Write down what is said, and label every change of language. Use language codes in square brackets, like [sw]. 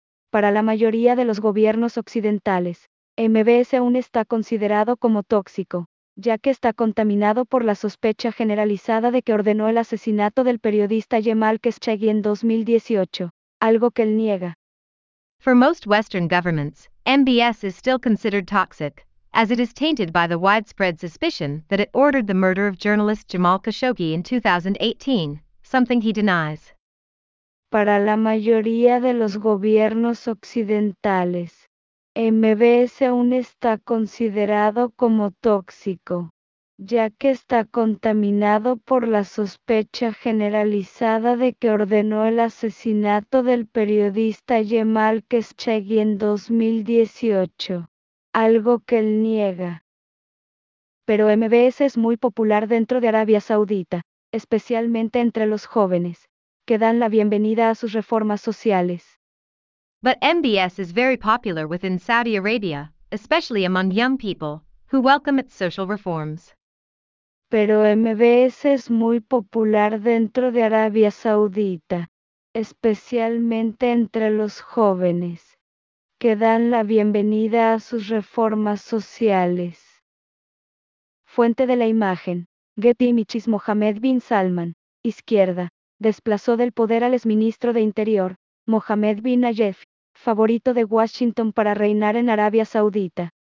[es] Para la mayoría de los gobiernos occidentales, MBS aún está considerado como tóxico, ya que está contaminado por la sospecha generalizada de que ordenó el asesinato del periodista Jamal Khashoggi en 2018, algo que él niega. [en] For most Western governments, MBS is still considered toxic, as it is tainted by the widespread suspicion that it ordered the murder of journalist Jamal Khashoggi in 2018, something he denies. [es] Para la mayoría de los gobiernos occidentales, MBS aún está considerado como tóxico, ya que está contaminado por la sospecha generalizada de que ordenó el asesinato del periodista Jamal Khashoggi en 2018, algo que él niega. Pero MBS es muy popular dentro de Arabia Saudita, especialmente entre los jóvenes, que dan la bienvenida a sus reformas sociales. [en] But MBS is very popular within Saudi Arabia, especially among young people, who welcome its social reforms. [es] Pero MBS es muy popular dentro de Arabia Saudita, especialmente entre los jóvenes, que dan la bienvenida a sus reformas sociales. Fuente de la imagen, Getty Images. Mohammed bin Salman, izquierda, desplazó del poder al exministro de Interior, Mohammed bin Nayef, favorito de Washington para reinar en Arabia Saudita.